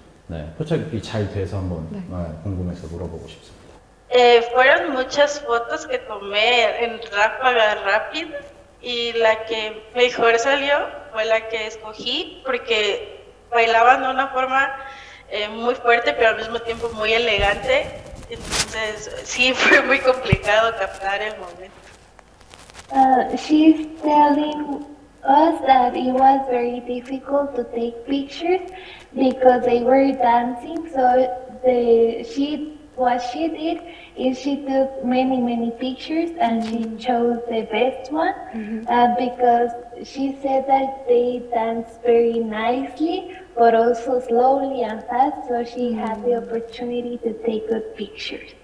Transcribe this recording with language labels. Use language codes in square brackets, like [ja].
[ko] 네, 포착이 잘 돼서 한번 궁금해서 물어보고 싶습니다. [es] Fueron muchas fotos que tomé en ráfaga rápida y la que mejor salió fue la que escogí porque bailaban de una forma muy fuerte pero al mismo tiempo muy elegante, entonces sí fue muy complicado captar el momento. [en] She's telling us that it was very difficult to take pictures because they were dancing, so what she did is she took many, many pictures and she chose the best one because she said that they danced very nicely but also slowly and fast, so she had the opportunity to take good pictures.